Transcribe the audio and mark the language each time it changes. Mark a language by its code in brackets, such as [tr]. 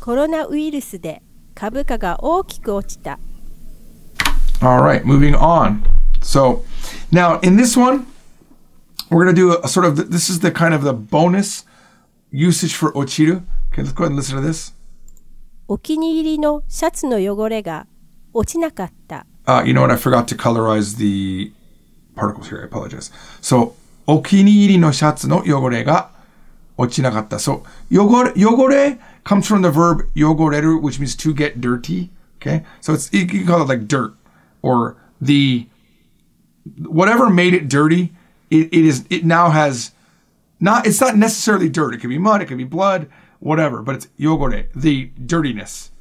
[ja] Coronavirus で株価が大きく落ちた。 [en] All right, moving on. So, now, in this one, we're going to do a sort of, this is the kind of the bonus usage for 落ちる. Okay, let's go ahead and listen to this. [ja] お気に入りのシャツの汚れが落ちなかった。 [en] You know what? I forgot to colorize the particles here. I apologize. [ja] So, お気に入りのシャツの汚れが落ちなかった。So, 汚れ [en] comes from the verb yogoreru, which means to get dirty. Okay, so it's, you can call it like dirt or the whatever made it dirty. It now has not, it's not necessarily dirt. It could be mud, it could be blood, whatever, but it's yogore, the dirtiness.